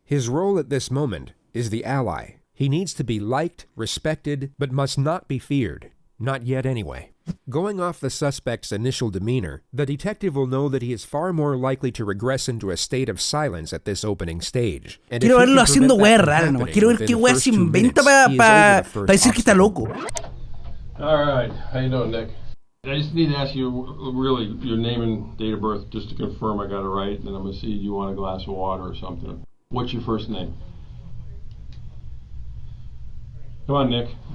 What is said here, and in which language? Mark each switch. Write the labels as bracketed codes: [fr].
[en] His role at this moment is the ally. He needs to be liked, respected, but must not be feared. Not yet, anyway. Going off the suspect's initial demeanor, the detective will know that he is far more likely to regress into a state of silence at this opening stage. [es] And quiero verlo haciendo wea rara, no. Quiero ver qué wea se inventa para decir que está loco. [en] Alright, how you doing, Nick? I just need to ask you, really, your name and date of birth, just to confirm I got it right, and I'm gonna see if you want a glass of water or something. What's your first name? Come on, Nick.